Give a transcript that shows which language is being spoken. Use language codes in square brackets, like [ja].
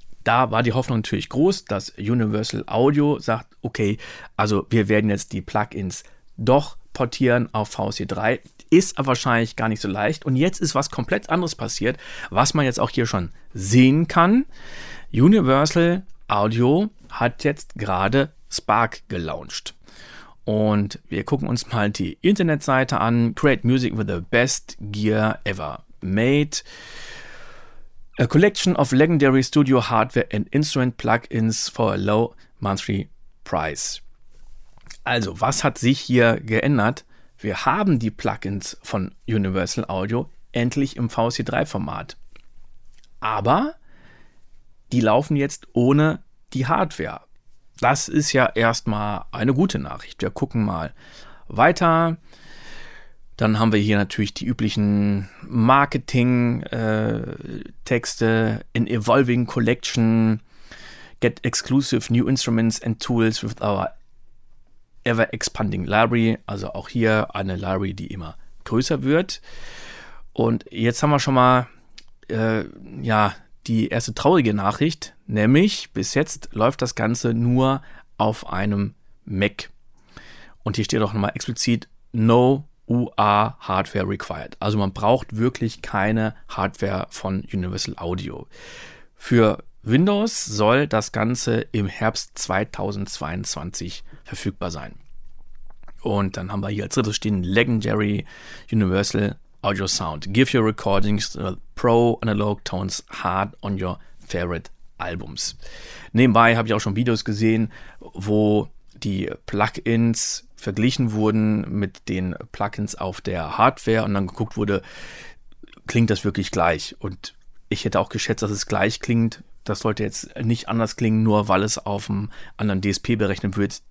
[de] Da war die Hoffnung natürlich groß, dass Universal Audio sagt, okay, also wir werden jetzt die Plugins doch portieren auf VC3. Ist aber wahrscheinlich gar nicht so leicht. Und jetzt ist was komplett anderes passiert, was man jetzt auch hier schon sehen kann. Universal Audio hat jetzt gerade Spark gelauncht. Und wir gucken uns mal die Internetseite an. [en] Create music with the best gear ever made. A collection of legendary studio hardware and instrument plugins for a low monthly price. [de] Also, was hat sich hier geändert? Wir haben die Plugins von Universal Audio endlich im VC3 Format. Aber die laufen jetzt ohne die Hardware. Das ist ja erstmal eine gute Nachricht. Wir gucken mal weiter. Dann haben wir hier natürlich die üblichen Marketing-Texte. [en] An evolving collection. Get exclusive new instruments and tools with our ever-expanding library. [de] Also auch hier eine Library, die immer größer wird. Und jetzt haben wir schon mal die erste traurige Nachricht, nämlich bis jetzt läuft das Ganze nur auf einem Mac. Und hier steht auch nochmal explizit [en] No UR Hardware Required. [de] Also man braucht wirklich keine Hardware von Universal Audio. Für Windows soll das Ganze im Herbst 2022 verfügbar sein. Und dann haben wir hier als drittes stehen Legendary Universal Audio Sound. [en] Give your recordings pro analog tones hard on your favorite albums. [de] Nebenbei habe ich auch schon Videos gesehen, wo die Plugins verglichen wurden mit den Plugins auf der Hardware und dann geguckt wurde, klingt das wirklich gleich? Und ich hätte auch geschätzt, dass es gleich klingt. Das sollte jetzt nicht anders klingen, nur weil es auf einem anderen DSP berechnet wird.